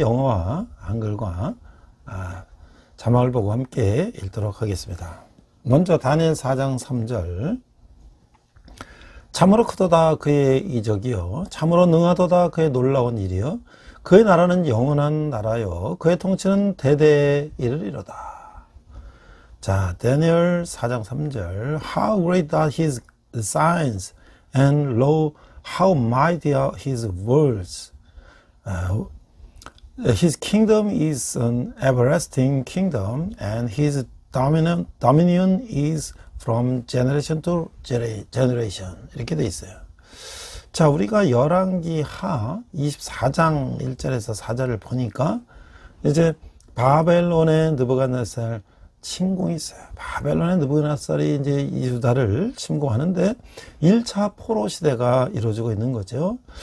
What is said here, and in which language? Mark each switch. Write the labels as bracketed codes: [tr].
[ko] 영어와 한글과 자막을 보고 함께 읽도록 하겠습니다. 먼저 다니엘 4장 3절. 참으로 크도다 그의 이적이요, 참으로 능하도다 그의 놀라운 일이요, 그의 나라는 영원한 나라요, 그의 통치는 대대에 이르리로다. 자, 다니엘 4장 3절. [en] How great are his signs, and lo, how mighty are his words. His kingdom is an everlasting kingdom, and his dominion is from generation to generation. [ko] 이렇게 돼 있어요. 자, 우리가 열왕기하 24장 1절에서 4절을 보니까 이제 바벨론의 느부갓네살 침공이 있어요. 바벨론의 느부갓네살이 이제 유다를 침공하는데 1차 포로 시대가 이루어지고 있는 거죠.